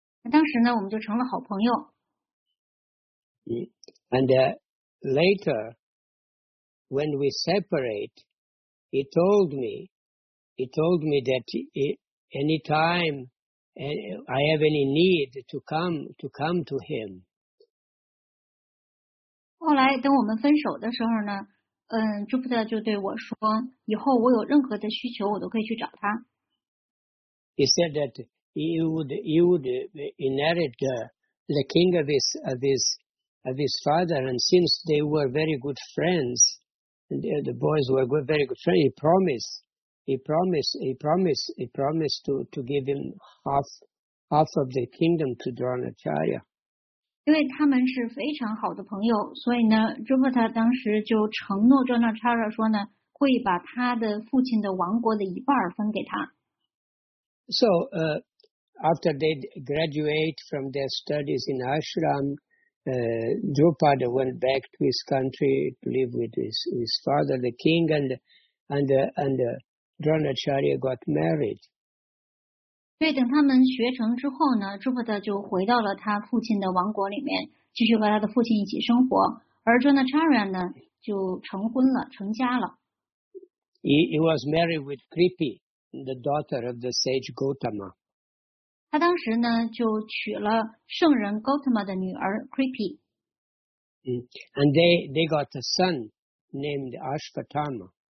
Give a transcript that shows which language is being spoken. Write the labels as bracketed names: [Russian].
[Chinese] 当时呢，我们就成了好朋友。 [English] And later, when we separate, he told me that any time I have any need to come to him. [Chinese] 后来等我们分手的时候呢，朱菩萨就对我说，以后我有任何的需求，我都可以去找他。 [English] He said that he would inherit the king of his father, and since they were very good friends, and the boys were very good friends, he promised to give him half of the kingdom to Dronacharya. [Chinese] 因为他们是非常好的朋友，所以呢，朱菩萨当时就承诺 Dronacharya 说呢，会把他的父亲的王国的一半分给他。 [English] So after they graduate from their studies in ashram, Drupada went back to his country to live with his father, the king, and Dronacharya got married. [Chinese] 对，等他们学成之后呢，朱菩萨就回到了他父亲的王国里面，继续和他的父亲一起生活。而 Dronacharya 呢，就成婚了，成家了。 [English] He was married with Kripi, the daughter of the sage Gotama. [Chinese] 他当时呢，就娶了圣人 Gotama 的女儿 Kripi. [English] And they got a son named Ashvatthama.